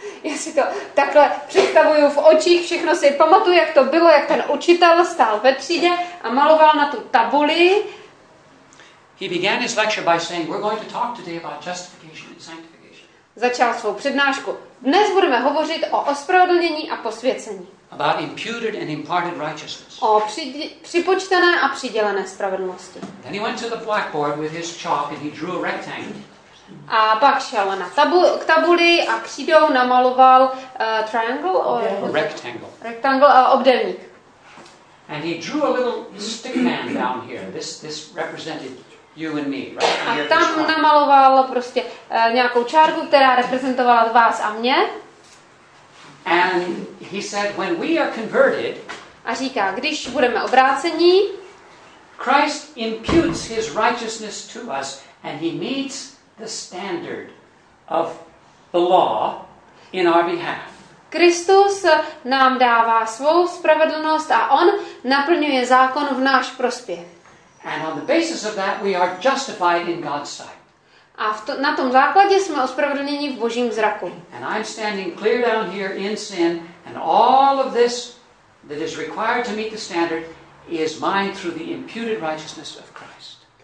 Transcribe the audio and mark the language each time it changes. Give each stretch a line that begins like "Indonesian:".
Czech: Já si to takhle představuju v očích, všechno si pamatuju, jak to bylo, jak ten učitel stál ve třídě a maloval na tu tabuli.
English: He began his lecture by saying, "We're going to talk today about justification and sanctification."
Czech: Začal svou přednášku. Dnes budeme hovořit o ospravedlnění a posvěcení.
English: About imputed and imparted righteousness.
Czech: O připočtené a přidělené spravedlnosti.
English: Then he went to the blackboard with his chalk and he drew a rectangle.
Czech: A pak šel na k tabuli a křídou namaloval
English: triangle or rectangle.
Czech: Rectangle a obdélník.
English: And he drew a little stick man down here. This represented you and me, right?
Czech: A tam namaloval prostě nějakou čárku, která reprezentovala vás a mě.
English: And he said, when we are converted,
Czech: a říká, když budeme obrácení,
English: Christ imputes his righteousness to us and he meets the standard of the law in our behalf.
Czech: Kristus nám dává svou spravedlnost a on naplňuje zákon v náš prospěch.
English: And on the basis of that we are justified in God's sight.
Czech: A na tom základě jsme ospravedlněni v Božím zraku.
English: And I'm standing clear down here in sin and all of this that is required to meet the standard is mine through the imputed righteousness of Christ.